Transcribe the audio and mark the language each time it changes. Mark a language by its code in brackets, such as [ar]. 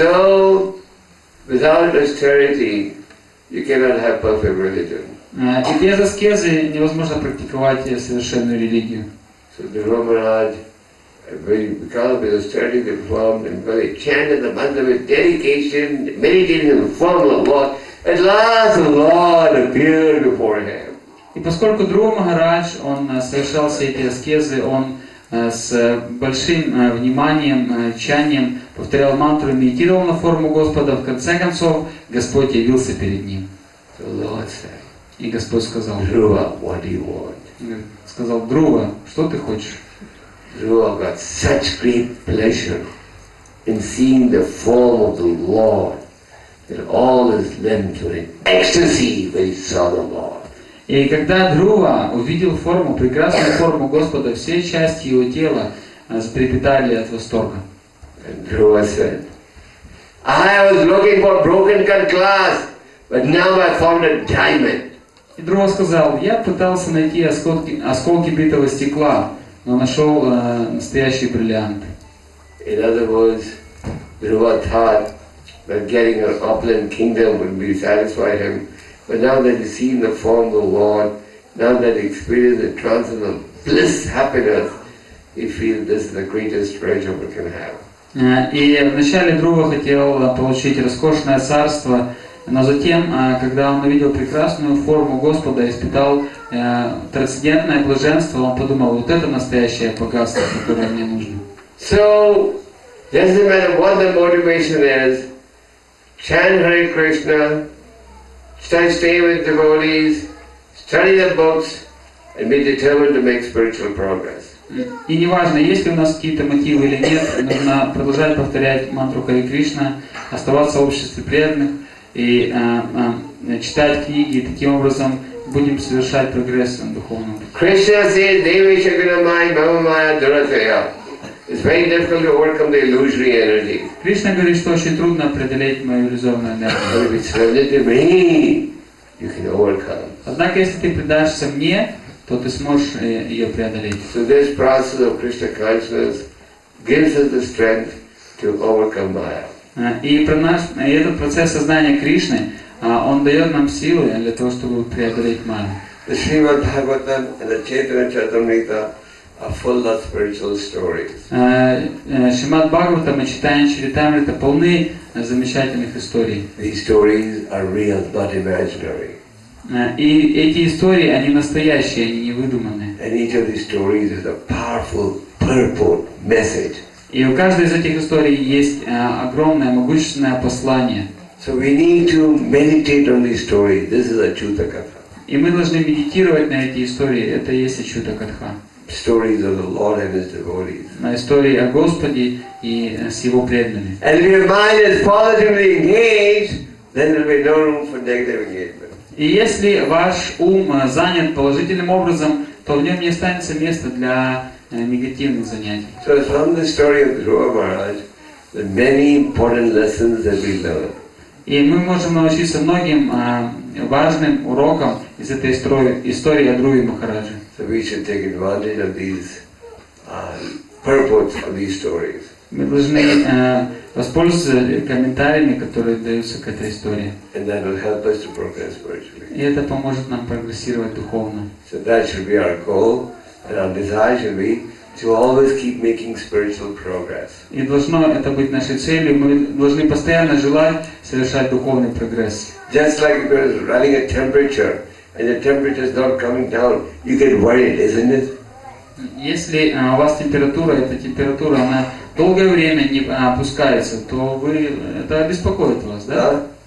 [en] So, without austerity, you cannot have perfect religion. [ru] И без аскезы невозможно практиковать совершенную религию. [en] So Dhruva Maharaj, because of his austerity, they performed and really chanted the mantra with dedication, meditating in the form of Lord. At last, the Lord appeared before him. [ru] И поскольку Dhruva Maharaj, он совершал все эти аскезы, он с большим вниманием, чанием повторял мантру, медитировал на форму Господа. В конце концов, Господь явился перед ним. [en] The Lord said. [ru] И Господь сказал, [en] Dhruva, what do you want? [ru] Сказал, Dhruva, что ты хочешь? [en] Dhruva got such great pleasure in seeing the form of the Lord that all his limbs were in ecstasy when he saw the Lord. [ru] И когда Dhruva увидел форму, прекрасную форму Господа, все части его тела затрепетали от восторга. [en] And Dhruva said, I was looking for broken cut glass, but now I found a diamond. [ru] И Dhruva сказал, я пытался найти осколки битого стекла, но нашел настоящий бриллиант. [en] In other words, Dhruva thought that getting an opulent kingdom would be satisfy him, but now that he's seen the form of the Lord, now that he experienced the transcendental bliss, happiness, he feels this is the greatest treasure we can have. [ru] И вначале Dhruva хотел получить роскошное царство. Но затем, когда он увидел прекрасную форму Господа и испытал трансцендентное блаженство, он подумал, вот это настоящее богатство, которое мне нужно. [en] So, doesn't matter what the motivation is, chant Hare Krishna, stay with devotees, study the books, and be determined to make spiritual progress. [ru] И не важно, есть ли у нас какие-то мотивы или нет, нужно продолжать повторять мантру Хари Кришна, оставаться в обществе преданных и читать книги, и таким образом будем совершать прогресс в духовном. [en] Krishna says, Devi Shakunamai, Mamamaya, Dorothea. It's very difficult to overcome the illusory energy. [ru] Krishna говорит, что очень трудно преодолеть мою иллюзорную энергию. [en] But if you surrender to me, you can overcome. [ru] Однако, если ты предашься мне, то ты сможешь ее преодолеть. [en] So this process of Krishna consciousness gives us the strength to overcome Maya. [ru] И про нас, и этот процесс сознания Кришны, он дает нам силы для того, чтобы преодолеть Майю. [en] The Srimad Bhagavatam and the Chaitanya Charitamrita are full of spiritual stories. [ru] Шримад Бхагаватам и Чайтанья Чаритамрита полны замечательных историй. [en] These stories are real, not imaginary. [ru] И эти истории, они настоящие, они не выдуманные. [en] And each of these stories is a powerful purport message. [ru] И у каждой из этих историй есть огромное, могущественное послание. [en] So we need to meditate on these stories. This is a chuta katha. [ru] И мы должны медитировать на эти истории. Это и есть чута катха. [en] Stories of the Lord and His devotees. [ru] На истории о Господе и с Его преданными. [en] And if your mind is positively engaged, then there will be no room for negative engagement. [ru] И если ваш ум занят положительным образом, то в нем не останется места для негативных занятий. [en] So from the story of Dhruva Maharaj, the many important lessons that we learn. [ru] И мы можем научиться многим важным урокам из этой истории о Друве Махараджи. [en] So we should take advantage of these purports of these stories. [ru] Мы должны воспользоваться комментариями, которые даются к этой истории. [en] And that will help us to progress spiritually. [ru] И это поможет нам прогрессировать духовно. [en] So that should be our goal, and our desire should be to always keep making spiritual progress. [ru] И должно это быть нашей целью. Мы должны постоянно желать совершать духовный прогресс. [en] Just like if you're running a temperature, and the temperature is not coming down, you get worried, isn't it? [ru] Если у вас температура, эта температура, она долгое время не опускается, то вы, это беспокоит вас, да?